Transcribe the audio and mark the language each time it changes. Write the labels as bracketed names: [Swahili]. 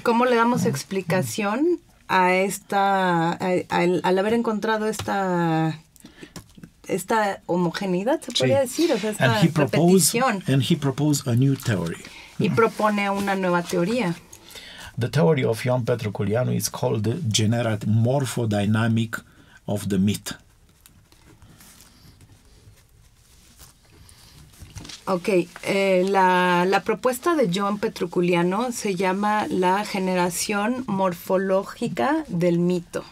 [Spanish] ¿Cómo le damos explicación al haber encontrado esta homogeneidad, se podría decir, o sea, esta repetición. [English] And he proposed a new theory. [Spanish] Y propone una nueva teoría. [English] The theory of Ioan Petru Culianu is called the generative morphodynamic of the myth. [Spanish] Ok, la propuesta de Ioan Petru Culianu se llama la generación morfológica del mito.